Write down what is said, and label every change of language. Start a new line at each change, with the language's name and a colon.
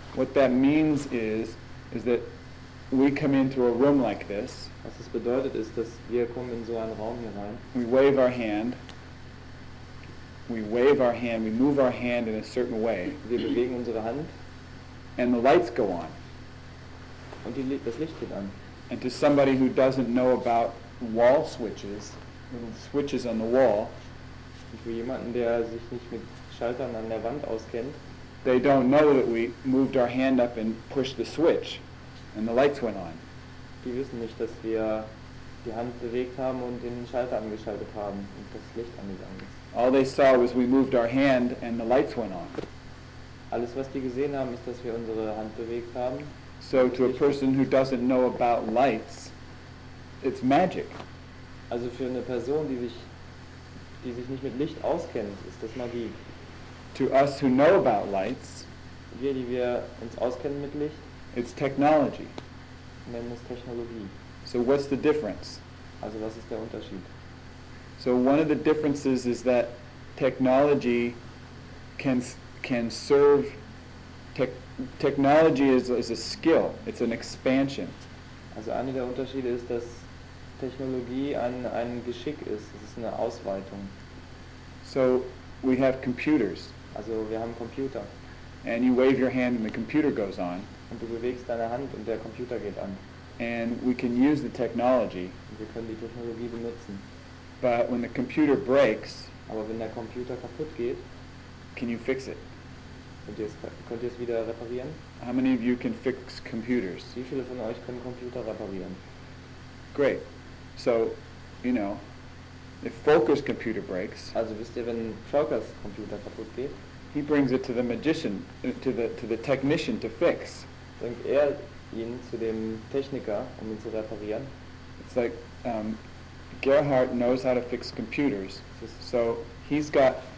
English: What that means is that we come into a room like this.
German: Was das bedeutet ist, dass wir kommen in so einen Raum hier rein.
English: We wave our hand. We wave our hand. We move our hand in a certain way.
German: Wir bewegen unsere Hand.
English: And the lights go on.
German: Und die, das Licht geht an.
English: And to somebody who doesn't know about wall switches, little switches on the wall,
German: und für jemanden, der sich nicht mit Schaltern an der Wand auskennt,
English: they don't know that we moved our hand up and pushed the switch, and the lights went on.
German: Die wissen nicht, dass wir die Hand bewegt haben und den Schalter angeschaltet haben und das Licht angegangen ist.
English: All they saw was we moved our hand and the lights went on.
German: Alles, was die gesehen haben, ist, dass wir unsere Hand bewegt haben.
English: So to a person who doesn't know about lights, it's magic.
German: Also für eine Person, die sich nicht mit Licht auskennt, ist das Magie.
English: To us who know about lights,
German: wir, die wir uns auskennen mit Licht,
English: it's technology.
German: Nennen es Technologie.
English: So what's the difference?
German: Also was ist der Unterschied?
English: So one of the differences is that technology can serve technology is a skill. It's an expansion.
German: Also einer der Unterschiede ist, dass Technologie ein Geschick ist. Es ist eine Ausweitung.
English: So we have computers.
German: Also wir haben Computer.
English: And you wave your hand and the computer goes on.
German: Und du bewegst deine Hand und der Computer geht an.
English: And we can use the technology.
German: Und wir können die Technologie benutzen.
English: But when the computer breaks,
German: aber wenn der Computer kaputt geht,
English: can you fix it?
German: Könnt ihr es wieder reparieren?
English: How many of you can fix computers?
German: Wie viele von euch können Computer reparieren?
English: Great. So, you know, if Volker's computer breaks,
German: also wisst ihr, wenn Volker's Computer kaputt geht,
English: he brings it to the magician, to the technician to fix.
German: Bringt er ihn zu dem Techniker, um ihn zu reparieren.
English: It's like Gerhard knows how to fix computers, so he's got.